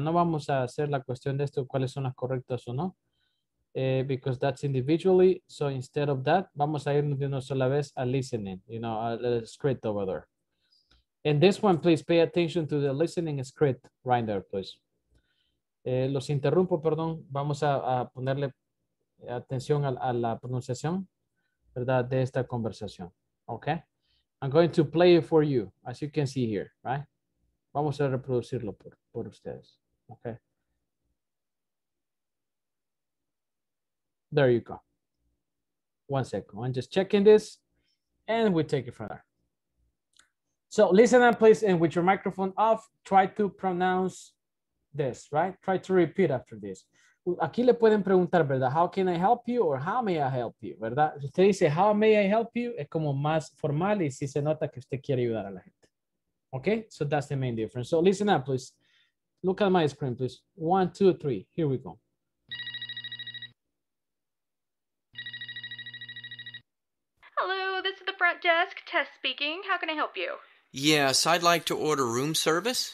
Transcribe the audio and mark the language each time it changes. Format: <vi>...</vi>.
<es>No vamos a hacer la cuestión de esto, cuáles son las correctas o no,</es> <en>because that's individually. So instead of that,</en> <es>vamos a irnos de una sola vez a</es> <en>listening, you know, a script over there. And this one, please pay attention to the listening script right there, please.</en> <es>Los interrumpo, perdón. Vamos a ponerle atención a la pronunciación, ¿verdad? De esta conversación, okay?</es> <en>I'm going to play it for you, as you can see here, right?</en> <es>Vamos a reproducirlo por ustedes, okay?</es> <en>There you go. One second, I'm just checking this, and we take it from there. So listen up, please, and with your microphone off, try to pronounce this, right? Try to repeat after this.</en> <es>Aquí le pueden preguntar, ¿verdad?</es> <en>How can I help you? Or how may I help you? ¿Verdad?</en> <es>Si usted dice,</es> <en>how may I help you?</en> <es>Es como más formal y si se nota que usted quiere ayudar a la gente.</es> <en>Okay? So that's the main difference. So listen up, please. Look at my screen, please. One, two, three. Here we go. Hello, this is the front desk. Tess speaking. How can I help you? Yes, I'd like to order room service.</en>